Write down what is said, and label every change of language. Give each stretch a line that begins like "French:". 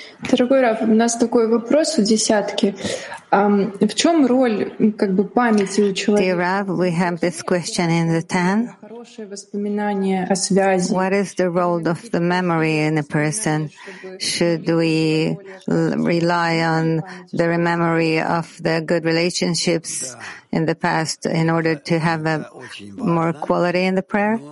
Russian: Дорогой Раф, у нас такой вопрос у десятки. В чем роль как бы памяти у человека?
English: Dear Rav, we have this question in the 10.
Russian: Хорошее воспоминание о связи.
English: What is the role of the memory in a person? Should we rely on the memory of the good relationships in the past in order to have a more quality in the prayer?